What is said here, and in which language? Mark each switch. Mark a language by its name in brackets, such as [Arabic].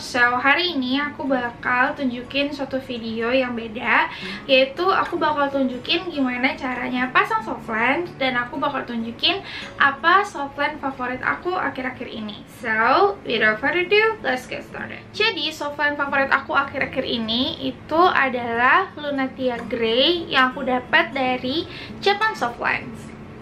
[Indonesian] So, hari ini aku bakal tunjukin suatu video yang beda, yaitu aku bakal tunjukin gimana caranya pasang soft lens, dan aku bakal tunjukin apa soft lens favorit aku akhir-akhir ini. [English] So, without further ado, let's get started. [Indonesian] Jadi, soft lens favorit aku akhir-akhir ini itu adalah Lunatia Grey yang aku dapat dari Japan Soft Lens.